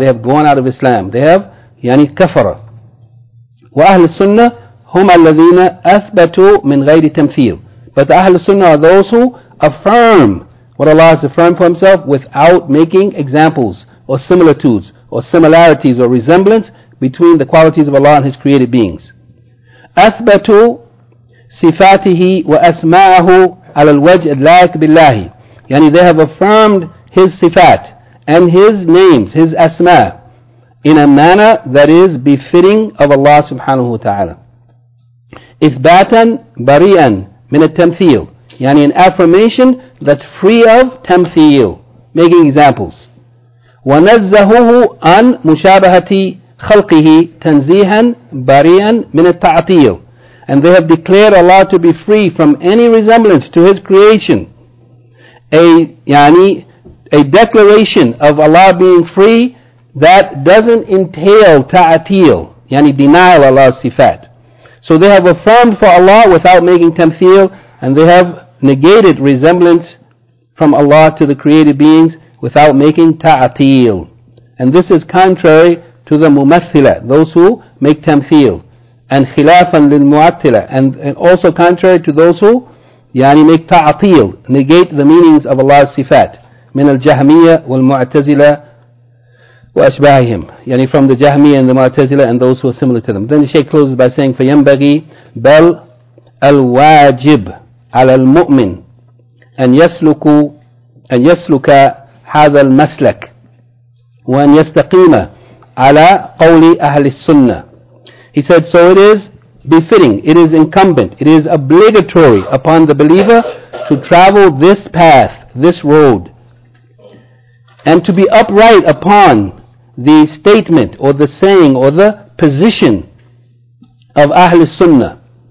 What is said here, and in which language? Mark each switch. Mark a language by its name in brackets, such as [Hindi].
[English] They have gone out of Islam. They have, yani, kafara. [Arabic] Wa ahl sunnah hum alladhina athbatu min ghayri tamthil. [English] But the ahl sunnah are those who affirm what Allah has affirmed for Himself without making examples or similitudes, or similarities, or resemblance between the qualities of Allah and His created beings. [Arabic] أثبتوا صفاته وأسماءه على الوجه اللائق بالله. [English] Yani they have affirmed His sifat and His names, His asma, in a manner that is befitting of Allah subhanahu wa ta'ala. [Arabic] إثباتاً بريئاً من التمثيل. [English] Yani an affirmation that's free of تمثيل. Making examples. [Arabic] وَنَزَّهُهُ عَنْ مُشَابَهَةِ خَلْقِهِ تَنْزِيهًا بَرِيًا مِنَ التَّعْتِيلِ. [English] And they have declared Allah to be free from any resemblance to His creation. A declaration of Allah being free that doesn't entail ta'atil, yani denial Allah's sifat. So they have affirmed for Allah without making tamthil, and they have negated resemblance from Allah to the created beings without making ta'atil. And this is contrary to the mumathila, those who make tamthil. And [Arabic] khilafan lil mu'attila, [English] and also contrary to those who, yani, make ta'atil, negate the meanings of Allah's sifat. [Arabic] Min al jahmiyyah wal mu'tazila wa ashbahihim. [English] Yani from the jahmiyyah and the mu'tazila and those who are similar to them. Then the Shaykh closes by saying, [Arabic] فَيَنْبَغِي بَلْ الْوَاجِبْ عَلَى الْمُؤْمِنِ أَنْ يَسْلُكَ هذا المسلك وأن يستقيم ala qawli ahli sunnah. [English] He said, so it is befitting, it is incumbent, it is obligatory upon the believer to travel this path, this road, and to be upright upon the statement or the saying or the position of Ahl Sunnah.